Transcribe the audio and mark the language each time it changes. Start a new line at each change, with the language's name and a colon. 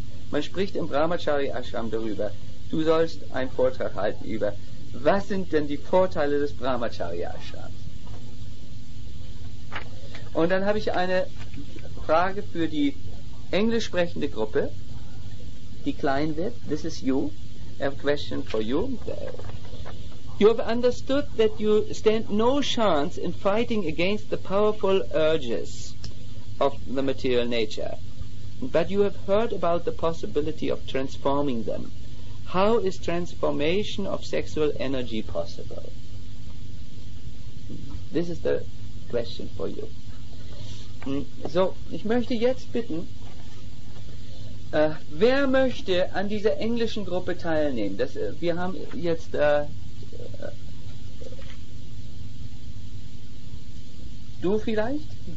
German: Man spricht im Brahmacharya-Ashram darüber. Du sollst einen Vortrag halten über, was sind denn die Vorteile des Brahmacharya-Ashrams? Und dann habe ich eine Frage für die englisch sprechende Gruppe, die klein wird.
English: This is you. I have a question for you. You have understood that you stand no chance in fighting against the powerful urges of the material nature, but you have heard about the possibility of transforming them. How is transformation of sexual energy possible? This is the question for you.
German: So, ich möchte jetzt bitten, wer möchte an dieser englischen Gruppe teilnehmen? Wir haben jetzt du vielleicht?